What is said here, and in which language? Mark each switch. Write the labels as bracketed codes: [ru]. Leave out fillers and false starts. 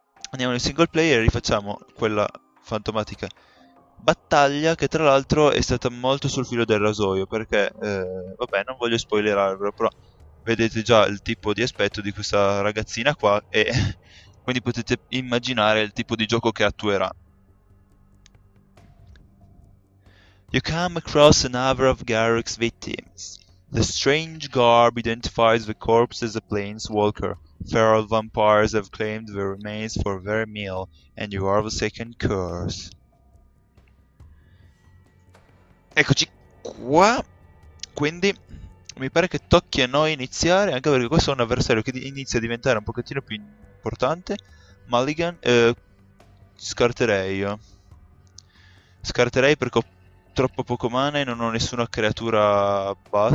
[it] Andiamo in single player e rifacciamo quella fantomatica battaglia che tra l'altro è stata molto sul filo del rasoio perché, vabbè, non voglio spoilerarvelo, però vedete già il tipo di aspetto di questa ragazzina qua e quindi potete immaginare il tipo di gioco che attuerà. [en] You come across another of Garrick's victims. The strange garb identifies the corpse as a planeswalker. Feral vampires have claimed the remains for their meal, and you are the second curse. [it] Eccoci qua. Quindi mi pare che tocchi a noi iniziare, anche perché questo è un avversario che inizia a diventare un pochettino più importante. Mulligan, scarterei io. Scarterei perché ho troppo poco mana e non ho nessuna creatura bassa.